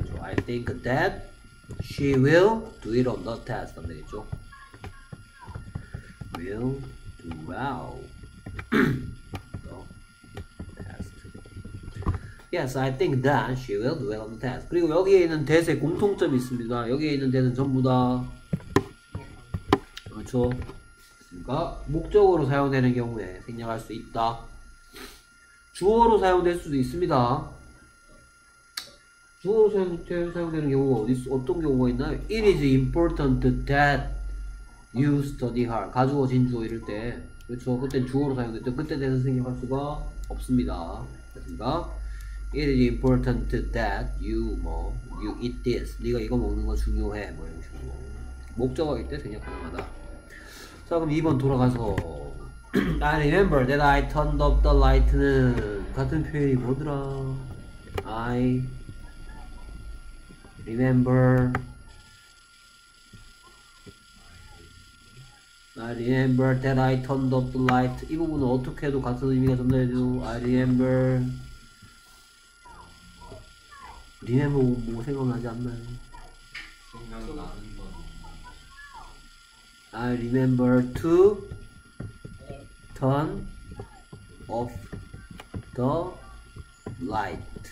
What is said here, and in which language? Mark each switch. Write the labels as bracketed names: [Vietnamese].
[English] I think that she will do it on the test. [Korean] 안 되겠죠? [English] Will do well the test. Yes, I think that she will do well on the test. [Korean] 그리고 여기에 있는 that의 공통점이 있습니다. 여기에 있는 that은 전부 다 그렇죠. 목적으로 사용되는 경우에 생략할 수 있다. 주어로 사용될 수도 있습니다. 주어로 사용되는 경우가 어떤 경우가 있나요? [English] It is important that you study hard. [Korean] 가주어 진주어 이럴 때 그렇죠. 그때는 주어로 사용됐죠. 그때 대는 생략할 수가 없습니다. 됐습니까? [English] It is important that you 뭐 you eat this. [Korean] 네가 이거 먹는 거 중요해. 뭐 이런 식으로 목적어 이때 생략 가능하다. 자 그럼 2번 돌아가서 [English] I remember that I turned up the light는 [Korean] 같은 표현이 뭐더라? [English] I remember I remember that I turned up the light. [Korean] 이 부분은 어떻게 해도 같은 의미가 전달해 줘. [English] I remember remember [Korean] 뭐 생각나지 않나요? 생각나는 거 [English] I remember to turn off the light.